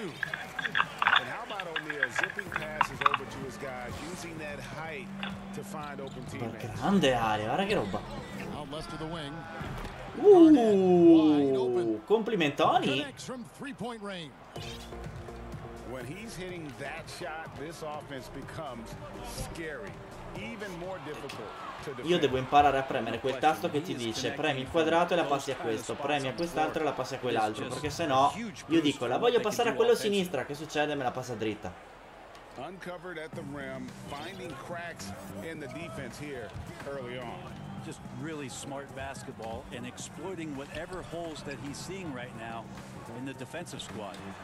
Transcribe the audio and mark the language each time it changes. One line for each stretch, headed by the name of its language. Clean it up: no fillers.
English: And how about O'Neal zipping passes over to his guys, using that height to find open teammates.
Italian: Grande area, guarda che roba.
English: Out left to the wing. Garnett, wide open.
Italian: Complimentoni.
English: Connects from 3-point range. When he's hitting that shot, this offense becomes scary. Even more difficult to
Italian: Io devo imparare a premere quel tasto che ti dice premi il quadrato e la passi a questo, premi a quest'altro e la passi a quell'altro, perché se no io dico la voglio passare a quello a sinistra, che succede? Me la passa dritta.
English: Uncovered at the rim, finding cracks in the defense here early on. Just really smart basketball and exploiting whatever holes that he's seeing right now in the defensive squad.